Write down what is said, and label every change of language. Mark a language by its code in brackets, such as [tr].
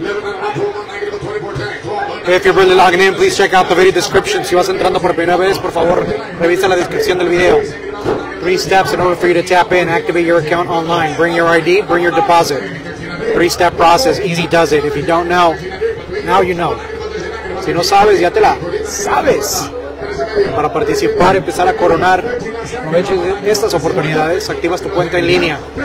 [en] If you're really logging in, please check out the video description. [es] Si vas entrando por primera vez, por favor, revisa la descripción del video. [en] Three steps in order for you to tap in, activate your account online. Bring your ID, bring your deposit. Three-step process, easy does it. If you don't know, now you know. [es] Si no sabes, ya te la sabes. Para participar, empezar a coronar estas oportunidades, activas tu cuenta en línea.